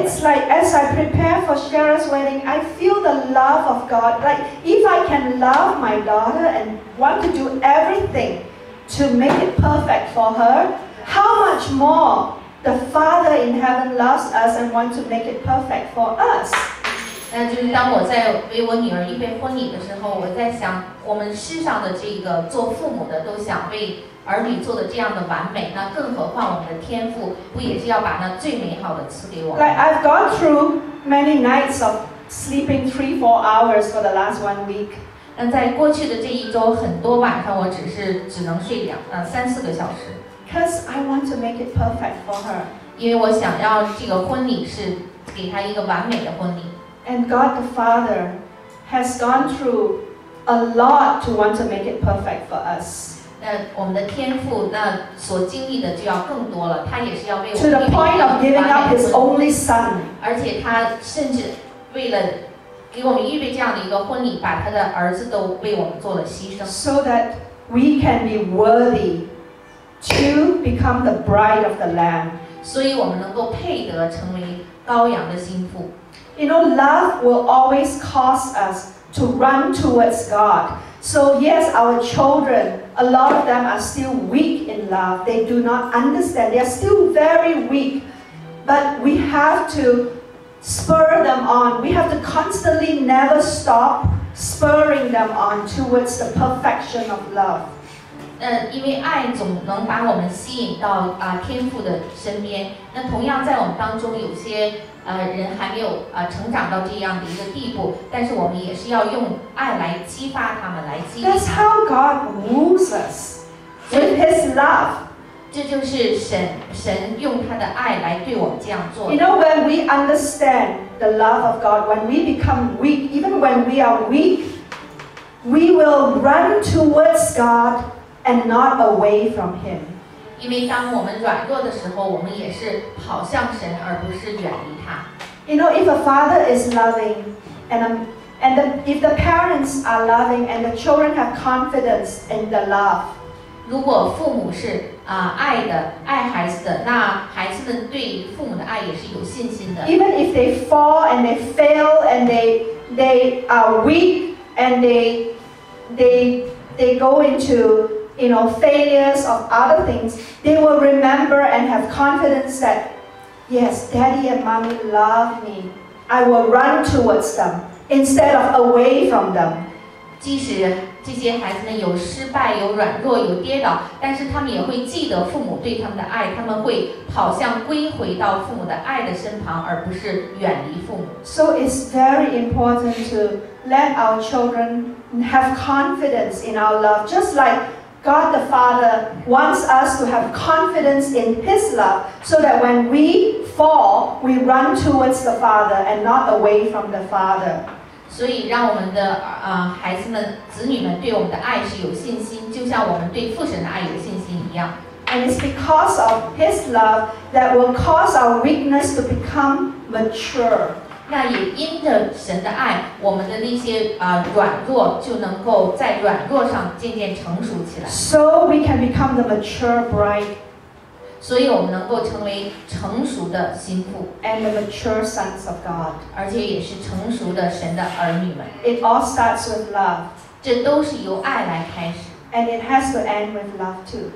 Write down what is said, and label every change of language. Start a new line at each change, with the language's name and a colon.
English: It's like as I prepare for Sarah's wedding, I feel the love of God. Like if I can love my daughter and want to do everything to make it perfect for her, how much more the Father in heaven loves us and wants to make it perfect for us.
Chinese: 那就是当我在为我女儿预备婚礼的时候，我在想，我们世上的这个做父母的都想为。儿女做的这样的完美，那更何况我们的天父不也是要把那最美好的赐给我们
English: ？Like I've gone through many nights of sleeping 3-4 hours for the last 1 week.
Chinese: 那在过去的这一周，很多晚上我只能睡三四个小时。
English: Because I want to make it perfect for her.
Chinese: 因为我想要这个婚礼是给她一个完美的婚礼。
English: And God the Father has gone through a lot to want to make it perfect for us.
Chinese: 我们的天父那所经历的就要更多了，他也是要为我们预备。
English: To the point of giving up his only son.
Chinese: 而且他甚至为了给我们预备这样的一个婚礼，把他的儿子都为我们做了牺牲。
English: So that we can be worthy to become the bride of the Lamb.
Chinese: 所以我们能够配得成为羔羊的心腹。
English: You know, love will always cause us to run towards God. So yes, our children, a lot of them are still weak in love. They do not understand. They are still very weak. But we have to spur them on. We have to constantly never stop spurring them on towards the perfection of love.
Chinese: 因为爱总能把我们吸引到天父的身边。那同样在我们当中有些人还没有成长到这样的一个地步，但是我们也是要用爱来激发他们，来激励他们。
English: That's how God moves us with His love.
Chinese: 这就是神用他的爱来对我们这样做。
English: You know, when we understand the love of God, when we become weak, even when we are weak, we will run towards God and not away from Him.
Chinese: 因为当我们软弱的时候，我们也是跑向神，而不是远离他。
English: You know, if a father is loving, if the parents are loving, and the children have confidence in the love,
Chinese: 如果父母是爱的，爱孩子的，那孩子们对父母的爱也是有信心的。
English: Even if they fall and they fail and they are weak and they go into you know, failures of other things, they will remember and have confidence that, yes, daddy and mommy love me. I will run towards them instead of away from them.
Chinese: 即使这些孩子们有失败、有软弱、有跌倒，但是他们也会记得父母对他们的爱，他们会跑向归回到父母的爱的身旁，而不是远离父母。
English: So it's very important to let our children have confidence in our love, just like God the Father wants us to have confidence in His love, so that when we fall, we run towards the Father and not away from the Father.
Chinese: 所以让我们的孩子们子女们对我们的爱是有信心，就像我们对父神的爱有信心一样。
English: And it's because of His love that will cause our weakness to become mature.
Chinese: 那也因着神的爱，我们的那些软弱就能够在软弱上渐渐成熟起来。
English: So we can become the mature bride.
Chinese: 所以我们能够成为成熟的新妇。
English: And the mature sons of God.
Chinese: 而且也是成熟的神的儿女们。
English: It all starts with love.
Chinese: 这都是由爱来开始。
English: And it has to end with love too.